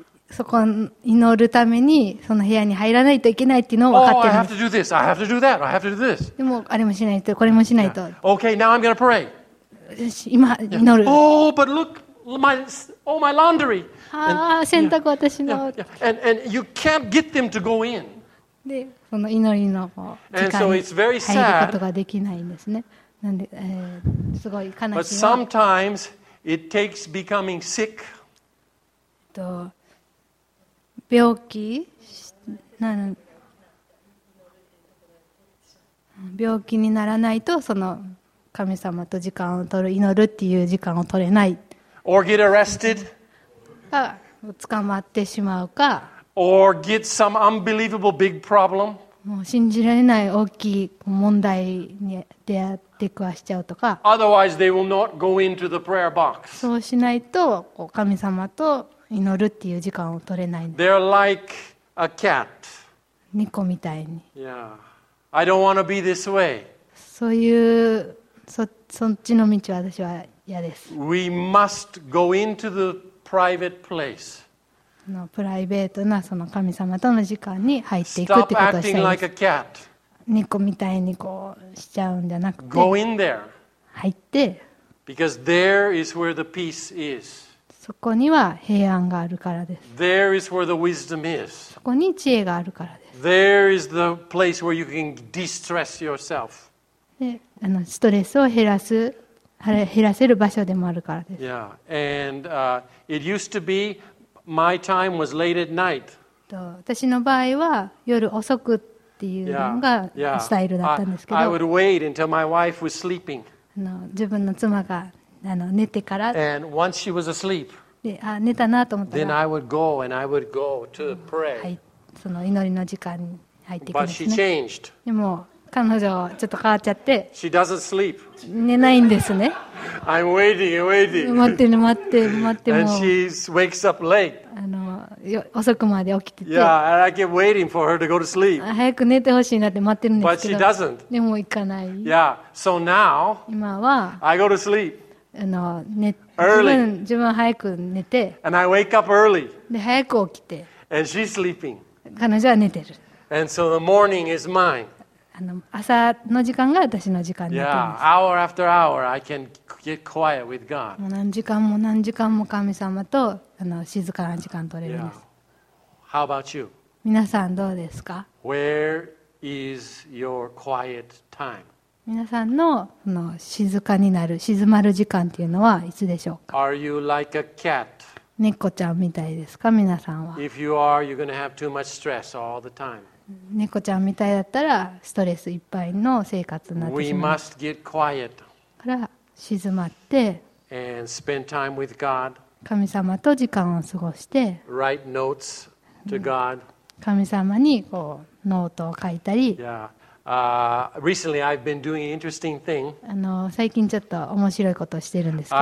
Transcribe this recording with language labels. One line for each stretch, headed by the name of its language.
Japanese: そこを祈るためにその部屋に入らないといけないっていうのを分かってる。
English: Oh, I have to do this. I have to do that. I have to do this.
Japanese: でもあれもしないとこれもしないと。
English: Yeah. Okay, now I'm going to pray.
Japanese: 今祈る。
English: Oh, but look, my laundry.
Japanese: ああ、洗濯私の。Yeah, yeah.
English: And you can't get them to go in.
Japanese: で、その祈りの時間に入ることができないんですね。なんで、すごい悲しいな。
English: But sometimes it takes becoming sick.
Japanese: 病気なる。病気にならないと、その神様と時間を取る、祈るっていう時間を取れない。
English: Or get arrested.
Japanese: 捕まってしまうか。
English: Or get some unbelievable big problem.
Japanese: もう信じられない大きい問題に出会ってくわしちゃうとか。
English: Otherwise they will not go into the prayer box.
Japanese: そうしないと、神様と祈るっていう時間を取れない。
English: They're like a cat.
Japanese: 猫みたいに。
English: Yeah. I don't want to be this way.
Japanese: そういう、そっちの道は私は嫌です。
English: We must go into the private place.
Japanese: のプライベートなその神様との時間に入っていくってことをしたいです。猫みたいにこうしちゃうんじゃなくて、
English: go in there.
Japanese: 入って。
English: Because there is where the peace is.
Japanese: そこには平安があるからです。
English: There is where the wisdom is.
Japanese: そこに知恵があるからです。
English: There is the place where you can de-stress yourself.
Japanese: で、ストレスを減らす。減らせる場所でもあるからです。
English: Yeah. And, it used to be,My time was late at night.
Japanese: 私の場合は夜遅くっていうのがスタイルだったんですけど、
English: I would wait until my wife was sleeping.
Japanese: 自分の妻が寝てから、
English: and once she was asleep,
Japanese: 寝たなと思ったら、
English: then I would go and I would go to pray.
Japanese: その祈りの時間に入っていくんですね。
English: But she changed.
Japanese: でも彼女はちょっと変わっちゃって、
English: she doesn't sleep.
Japanese: 寝ないんですね。
English: I'm waiting, waiting.
Japanese: 待ってね、待って、待ってもう。
English: And she wakes up late.
Japanese: 遅くまで起きてて。
English: Yeah, and I keep waiting for her to go to sleep.
Japanese: 早く寝てほしいなって待ってるんですけど。
English: But she doesn't.
Japanese: でも行かない。
English: Yeah, so now.
Japanese: 今は。
English: I go to sleep.
Japanese: 寝。自分は早く寝て。
English: And I wake up early.
Japanese: で早く起きて。
English: And she's sleeping.
Japanese: 彼女は寝てる。
English: And so the morning is mine.
Japanese: 朝の時間が私の時間になってます。
English: Yeah, hour after hour, I can get quiet with God.
Japanese: 何時間も何時間も神様と静かな時間取れるんです。
English: Yeah. How about you?
Japanese: 皆さんどうですか？
English: Where is your quiet time?
Japanese: 皆さんの静かになる、静まる時間っていうのはいつでしょうか？
English: Are you like a cat?
Japanese: 猫ちゃんみたいですか？皆さんは。
English: If you are, you're going to have too much stress all the time.
Japanese: 猫ちゃんみたいだったらストレスいっぱいの生活になってしまう。
English: We must get quiet.
Japanese: から静まって、
English: and spend time with God.
Japanese: 神様と時間を過ごして、
English: write notes to God.
Japanese: 神様にこうノートを書いたり。
English: Yeah. Recently, I've been doing an interesting thing.
Japanese: 最近ちょっと面白いことをしてるんですけど。